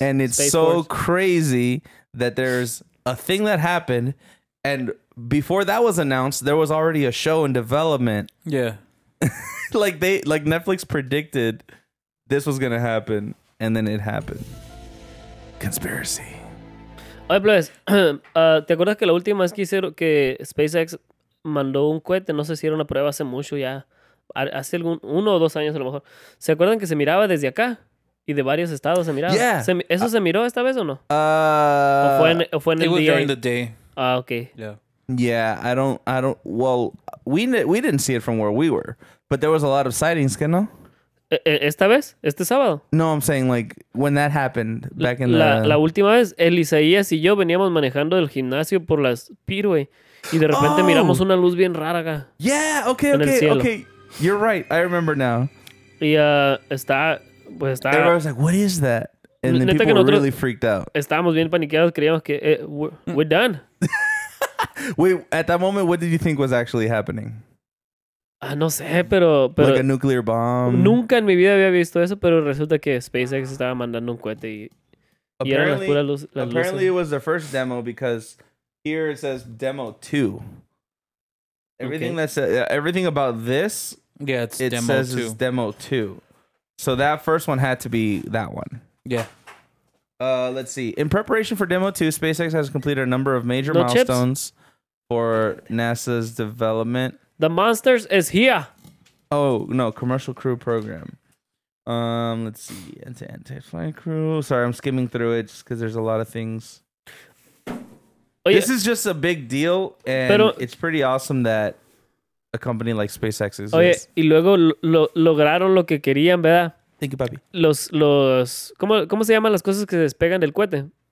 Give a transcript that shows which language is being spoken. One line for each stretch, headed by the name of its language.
English: And it's space so Force. Crazy that there's a thing that happened. And before that was announced, there was already a show in development. Yeah. like Netflix predicted this was going to happen. And then it happened. Conspiracy.
Spanish: Ay, pues, ¿te acuerdas que la última vez que hicieron que SpaceX mandó un cohete? No sé si era una prueba hace mucho ya. Hace uno o dos años a lo mejor. ¿Se acuerdan que se miraba desde acá? Y de varios estados se miraba.
English: Yeah.
Spanish: ¿Eso se miró esta vez o no? ¿O fue en el día?
English: It was during the day. Ah, okay. Yeah, I don't, well, we didn't see it from where we were. But there was a lot of sightings,
Spanish: ¿qué no? ¿Esta vez? ¿Este sábado?
English: No, I'm saying like when that happened back in
Spanish: La última vez, el Isaías y yo veníamos manejando del gimnasio por las Speedway y de repente miramos una luz bien rara acá.
English: Yeah, okay. You're right. I remember now.
Spanish: Y está...
English: And I was like, what is that? And then people were really freaked out.
Spanish: Estábamos bien paniqueados, creíamos que
English: we're done. Wait, at that moment, what did you think was actually happening?
Spanish: No sé, pero...
English: Like a nuclear bomb.
Spanish: Nunca en mi vida había visto eso, pero resulta que SpaceX estaba mandando un cohete y eran las puras luces.
English: Apparently, it was the first demo because here it says demo 2. Everything everything about this, yeah, it demo says two. It's demo 2. So that first one had to be that one. Yeah. Let's see. In preparation for demo 2, SpaceX has completed a number of major milestones for NASA's development. The monsters is here. Oh, no. Commercial crew program. Let's see. End-to-end flight crew. Sorry, I'm skimming through it just because there's a lot of things. Oh, yeah. This is just a big deal, and it's pretty awesome that a company like SpaceX exists.
Spanish: Oye, y luego lograron lo que querían, ¿verdad?
English: Thank you, papi.
Spanish: Los ¿cómo se llaman las cosas que se despegan del cohete?